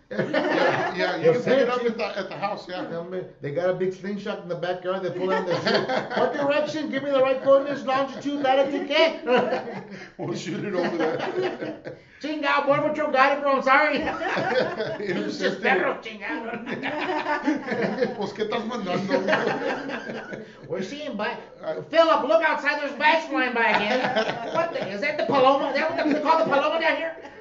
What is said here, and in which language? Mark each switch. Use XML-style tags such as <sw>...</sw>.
<en>you can pick it up at the house. Yeah. They got a big slingshot in the backyard. They pull out the shoe. What direction? Give me the right coordinates, longitude, latitude, okay? We'll shoot it over there.</en> <es>Chingao,</es> <en>boy, what you got it, bro? I'm sorry. It's just</en> <es>perro chingado. Pues, ¿qué estás mandando?</es> <en>We're seeing by... Philip, look outside. There's bats flying by again. What the... Is that the Paloma? Is that what they call the Paloma down here?</en>